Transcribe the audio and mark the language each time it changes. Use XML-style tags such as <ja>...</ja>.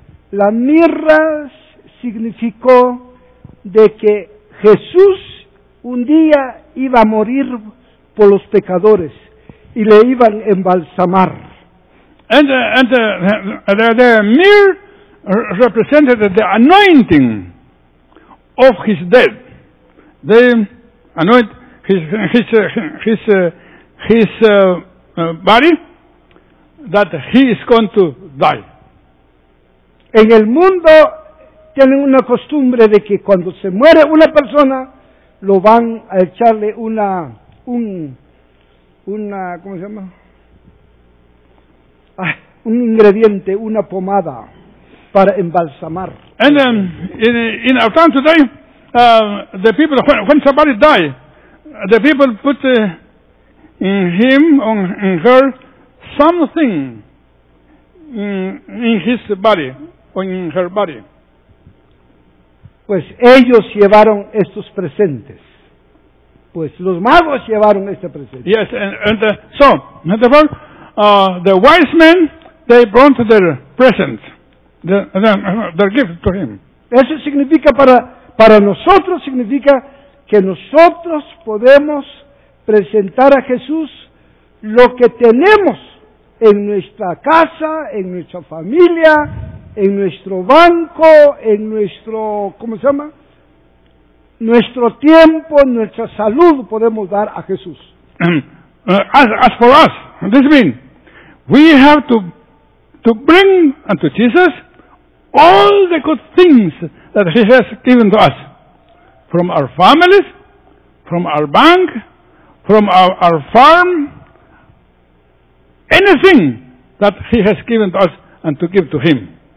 <es>La mirra significó de que Jesús un día iba a morir por los pecadores y le iban a embalsamar.</es> <en>And the myrrh represented the anointing of his death. They anoint his body that he is going to die.</en> <es>En el mundo tienen una costumbre de que cuando se muere una persona lo van a echarle una ¿cómo se llama? Un ingrediente, una pomada para embalsamar.</es> <en>And in our town today, the people when somebody die, the people put in him or in her something in his body or in her body.</en> <es>Pues ellos llevaron estos presentes. Pues los magos llevaron este presente.</es> <en>Yes, and so, therefore, the wise men, they brought their presents, their gift to him.</en> <es>Eso significa para nosotros, significa que nosotros podemos presentar a Jesús lo que tenemos en nuestra casa, en nuestra familia, en nuestro banco, en nuestro, ¿cómo se llama? Nuestro tiempo, nuestra salud podemos dar a Jesús.</es> <en>As for us, this means we have to to bring unto Jesus all the good things that He has given to us. From our families, from our bank, from our farm, anything that He has given to us and to give to Him.</en>